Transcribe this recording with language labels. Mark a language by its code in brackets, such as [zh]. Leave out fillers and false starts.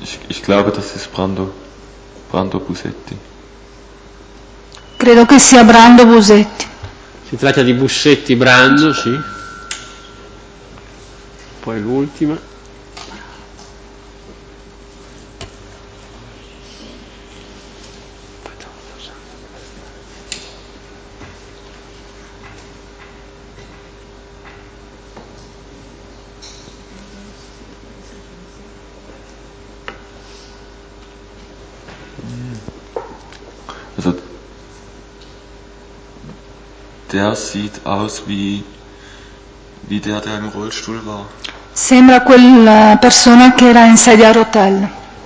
[de] Ich glaube, das ist Brando Busetti. [it] Credo che sia Brando Busetti. Si tratta di Busetti Brando, sì. Poi l'ultima. [de] Der sieht aus wie der, der im Rollstuhl war. [it] Sembra quella persona che era in sedia a rotelle.